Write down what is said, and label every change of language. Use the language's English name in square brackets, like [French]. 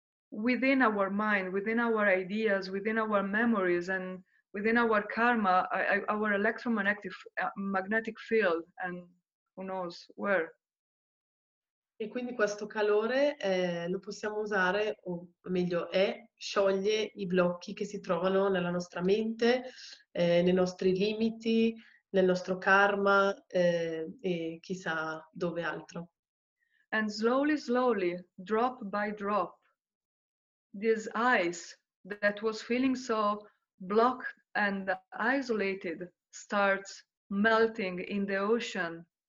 [English] within our mind, within our ideas, within our memories, and within our karma, our electromagnetic magnetic field, and who knows where. [Italian] E quindi questo calore lo possiamo usare, o meglio è, scioglie i blocchi che si trovano nella nostra mente, nei nostri limiti, nel nostro karma, e chissà dove altro. [English] And slowly, slowly, drop by drop, this ice that was feeling so blocked and isolated starts melting in the ocean.